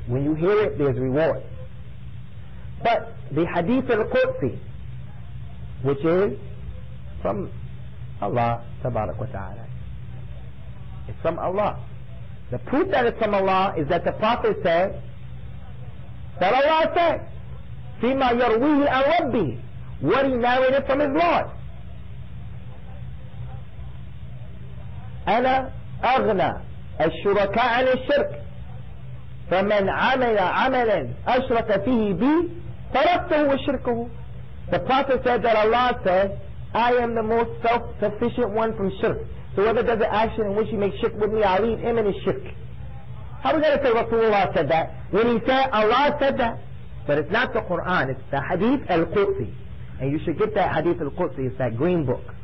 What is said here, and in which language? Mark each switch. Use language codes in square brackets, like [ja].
[en] When you hear it, there's reward. But the hadith al-Qudsi, which is from Allah tabarak wa ta'ala, it's from Allah. The proof that it's from Allah is that the Prophet said, that Allah said, [ar] فِيمَا يَرْوِيهِ أَنْ رَبِّي, [en] what he narrated from his Lord. [ar] أَنَا أَغْنَى الشُّرَكَاء عن الشرك فَمَنْ عَمَلَ عَمَلًا أَشْرَكَ فِيهِ بِي فَرَفْتَهُ وَشِرْكَهُ. [en] The Prophet said that Allah said, I am the most self-sufficient one from shirk. So whether does an action in which he makes shirk with me, I'll leave him in his shirk. How are we going to say Rasulullah said that when he said Allah said that? But it's not the Quran, it's the Hadith al-Qudsi. And you should get that Hadith al-Qudsi, it's that green book.